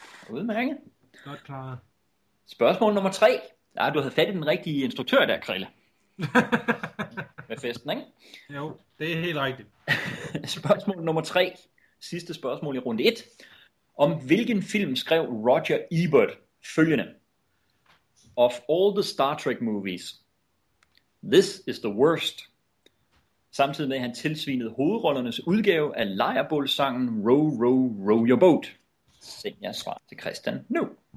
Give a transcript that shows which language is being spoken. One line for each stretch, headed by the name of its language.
Danish: Udmærket. Godt klar. Spørgsmål nummer 3. Nej, du havde fat i den rigtige instruktør der, Krille. Med festen, ikke? Jo, det er helt rigtigt. Spørgsmål nummer 3. Sidste spørgsmål i runde 1. Om hvilken film skrev Roger Ebert følgende?
English: Of all the Star Trek movies, this is the worst.
Danish: Samtidig med, at han tilsvinede hovedrollernes udgave af lejrebålssangen Row, Row, Row Your Boat. Send jeg svar til Christian nu.